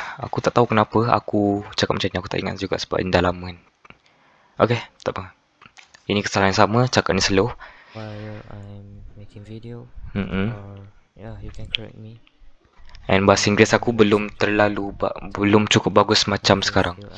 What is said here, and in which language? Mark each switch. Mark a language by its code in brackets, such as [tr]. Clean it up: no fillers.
[ms] Aku tak tahu kenapa aku cakap macam ni. Aku tak ingat juga sebab ini dah lama kan. Okay, tak apa. Ini kesalahan yang sama, cakap ni slow. [en] While I'm making video, yeah, you can correct me. [ms] And bahasa Inggeris aku belum terlalu belum cukup bagus macam sekarang.